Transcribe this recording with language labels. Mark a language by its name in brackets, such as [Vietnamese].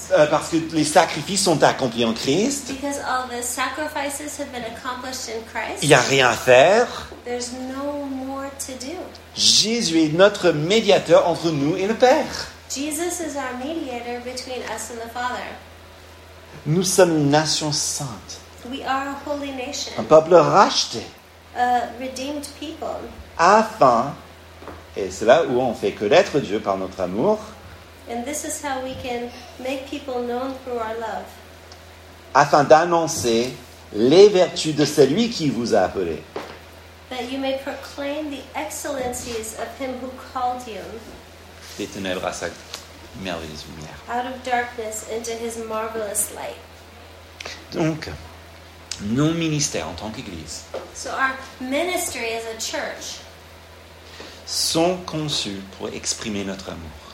[French] Parce que les sacrifices sont accomplis en Christ. [English] Because all the sacrifices have been accomplished in Christ. [French] Il n'y a rien à faire. [English] There's no more to do. [French] Jésus est notre médiateur entre nous et le Père. [English] Jesus is our mediator between us and the Father. [French] Nous sommes une nation sainte. [English] We are a holy nation. [French] Un peuple racheté. [English] A redeemed people. [French] Afin, et c'est là où on fait connaître Dieu par notre amour. [English] And this is how we can make people known through our love. [French] Afin d'annoncer les vertus de celui qui vous a appelé. [English] That you may proclaim the excellencies of him who called you. [French] Des ténèbres à sa merveilleuse lumière. [English] Out of darkness into his marvelous light. [French] Donc, nos ministères en tant qu'église. [English] So our ministry as a church. [French] Sont conçus pour exprimer notre amour.